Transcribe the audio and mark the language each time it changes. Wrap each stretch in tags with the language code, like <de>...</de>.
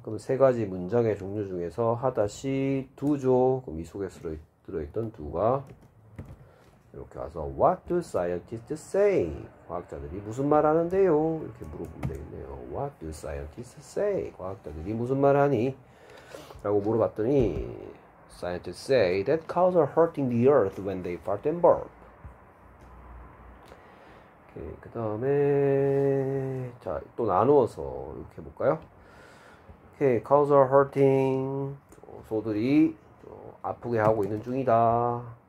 <ko>그럼 세 가지 문장의 종류 중에서 하다시 두죠. 그럼 이 속에 들어있던 두가 이렇게 와서</ko> <en>What do scientists say?</en> <ko>과학자들이 무슨 말 하는데요? 이렇게 물어보면 되겠네요.</ko> <en>What do scientists say?</en> <ko>과학자들이 무슨 말 하니? 라고 물어봤더니</ko> <en>Scientists say that cows are hurting the earth when they fart and burp.</en> <ko>오케이, 그 다음에 자, 또 나누어서 이렇게 해볼까요?</ko> <en>오케이, cows are hurting.</en> <ko>소들이 아프게 하고 있는 중이다.</ko>